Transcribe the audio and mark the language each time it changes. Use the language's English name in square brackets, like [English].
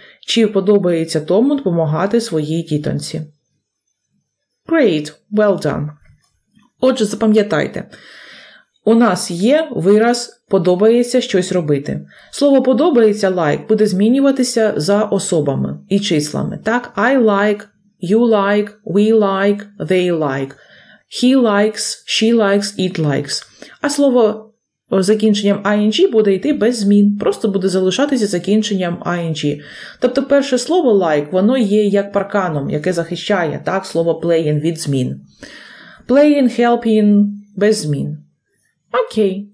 [Ukrainian] Чи подобається Тому допомагати своїй дітонці? [English] Great, well done. [Ukrainian] Отже, запам'ятайте. У нас є вираз «подобається щось робити». Слово «подобається» «like» буде змінюватися за особами і числами. [English] Так, I like, you like, we like, they like, he likes, she likes, it likes. [Ukrainian] А слово закінченням ing буде йти без змін, просто буде залишатися закінченням ing. Тобто перше слово «like» воно є як парканом, яке захищає, так, слово «playing» від змін. «Playing», «helping» – без змін. Окей.